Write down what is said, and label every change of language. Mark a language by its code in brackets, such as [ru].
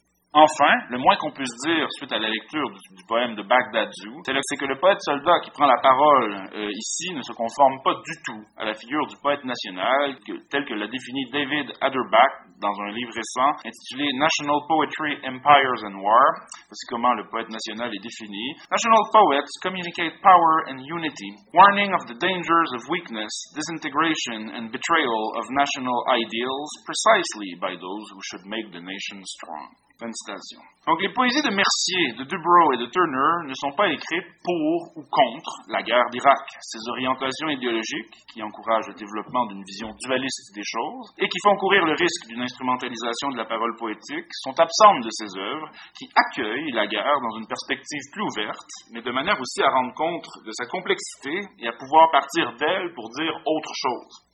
[fr] Enfin, le moins qu'on puisse dire suite à la lecture du poème de Bagdadzou, c'est que le poète soldat qui prend la parole ici ne se conforme pas du tout à la figure du poète national tel que l'a défini David Aderbach dans un livre récent intitulé « National Poetry, Empires and War ». Voici comment le poète national est défini. [en] « National poets communicate power and unity, warning of the dangers of weakness, disintegration and betrayal of national ideals precisely by those who should make the nation strong. » [fr] Fin de citation. Donc, les poésies de Mercier, de Dubrow et de Turner ne sont pas écrites pour ou contre la guerre d'Irak. Ces orientations idéologiques, qui encouragent le développement d'une vision dualiste des choses et qui font courir le risque d'une instrumentalisation de la parole poétique, sont absentes de ces œuvres qui accueillent la guerre dans une perspective plus ouverte, mais de manière aussi à rendre compte de sa complexité et à pouvoir partir d'elle pour dire autre chose.